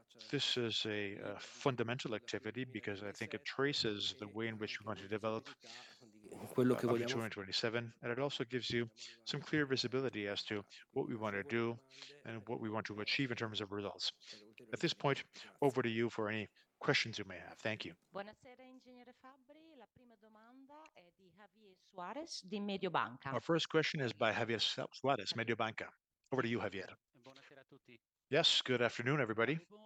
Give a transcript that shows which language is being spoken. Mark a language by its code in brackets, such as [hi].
[en] This is a fundamental activity because I think it traces the way in which we want to develop up to 2027, and it also gives you some clear visibility as to what we want to do and what we want to achieve in terms of results. At this point, over to you for any questions you may have. Thank you. [it] Buonasera, Ingegnere Fabbri. La prima domanda è di Javier Suarez di Mediobanca. [en] Our first question is by Javier Suarez, Mediobanca. Over to you, Javier. [it] Buonasera a tutti. [en] Yes, good afternoon, everybody.